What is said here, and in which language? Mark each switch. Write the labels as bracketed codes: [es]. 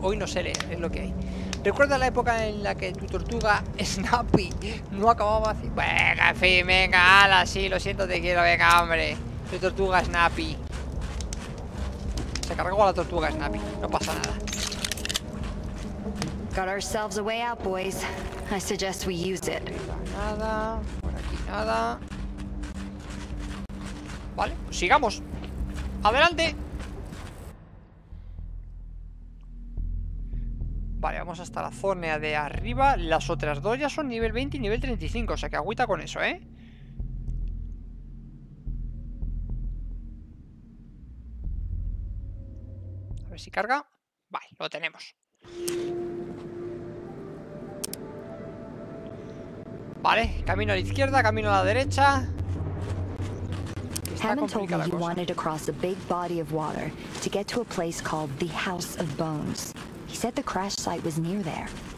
[es] Hoy no sé leer, es lo que hay. ¿Recuerda la época en la que tu tortuga Snappy no acababa así? Venga, en fin, venga, ala, sí, lo siento, te quiero, venga, hombre. Tu tortuga Snappy. Se cargó a la tortuga Snappy, no pasa nada. [en] Got ourselves a way out, boys. I suggest we use it. [es] Nada, por aquí nada. Vale, pues sigamos. ¡Adelante! Vale, vamos hasta la zona de arriba. Las otras dos ya son nivel 20 y nivel 35. O sea que agüita con eso, ¿eh? A ver si carga. Vale, lo tenemos. Vale, camino a la izquierda, camino a la derecha. [en] Hammond told me you wanted to cross a big body of water to get to a place called the House of Bones. He said the crash site was near there.